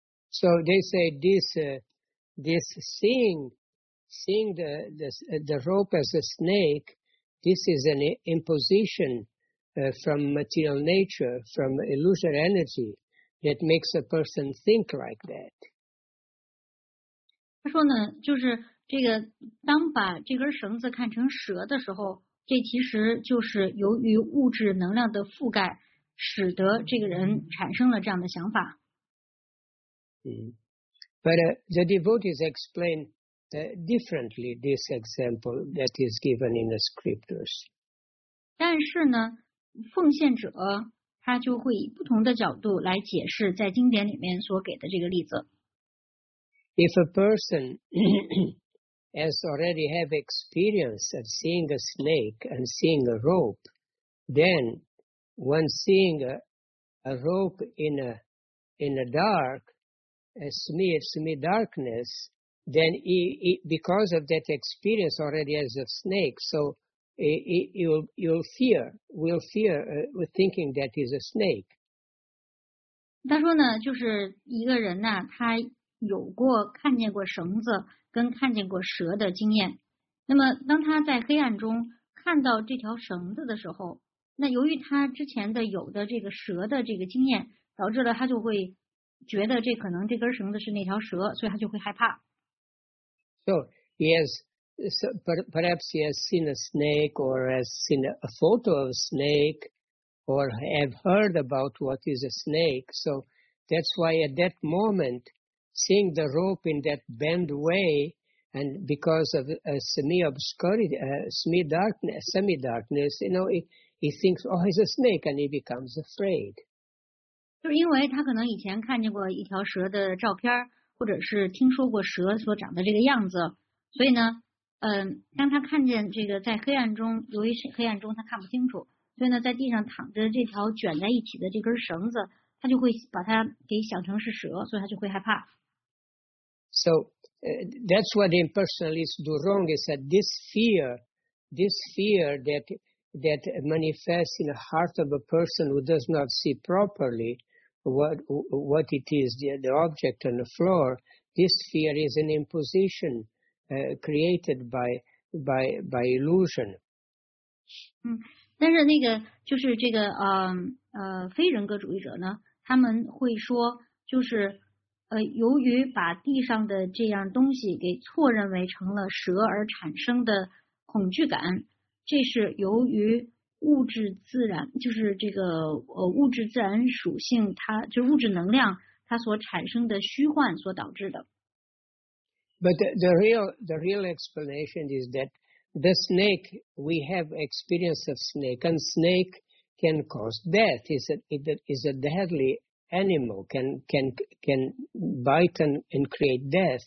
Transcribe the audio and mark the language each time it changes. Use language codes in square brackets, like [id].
[en] So they say this seeing the rope as a snake, this is an imposition from material nature, from illusory energy that makes a person think like that. [zh] 他说呢，就是这个，当把这根绳子看成蛇的时候，这其实就是由于物质能量的覆盖，使得这个人产生了这样的想法。 [en] But the devotees explain differently this example that is given in the scriptures. [zh] 但是呢，奉献者他就会以不同的角度来解释在经典里面所给的这个例子。 [en] If a person as already have experience of seeing a snake and seeing a rope, then when seeing a rope in a dark, a semi darkness, then he, because of that experience already as a snake, so you'll fear with thinking that he's a snake. [zh] 他说呢，就是一个人呢，他有过看见过绳子跟看见过蛇的经验。那么当他在黑暗中看到这条绳子的时候，那由于他之前的有的这个蛇的这个经验，导致了他就会觉得这可能这根绳子是那条蛇，所以他就会害怕。 [en] So yes, so perhaps he has seen a snake, or has seen a photo of a snake, or have heard about what is a snake. So that's why at that moment, seeing the rope in that bent way, and because of a semi-darkness, you know, he thinks, oh, it's a snake, and he becomes afraid. [zh] 就是因为他可能以前看见过一条蛇的照片，或者是听说过蛇所长的这个样子，所以呢，当他看见这个在黑暗中，由于黑暗中他看不清楚，所以呢，在地上躺着这条卷在一起的这根绳子，他就会把它给想成是蛇，所以他就会害怕。 [en] So, that's what impersonalists do wrong. Is that this fear that manifests in the heart of a person who does not see properly what it is, the object on the floor. This fear is an imposition created by illusion. [zh] 但是那个就是这个非人格主义者呢，他们会说就是。由于把地上的这样东西给错认为成了蛇而产生的恐惧感，这是由于物质自然，就是这个物质自然属性，它就是物质能量它所产生的虚幻所导致的。 [en] But the real explanation is that the snake, we have experience of snake, and snake can cause death. It is a deadly animal, can bite and create death.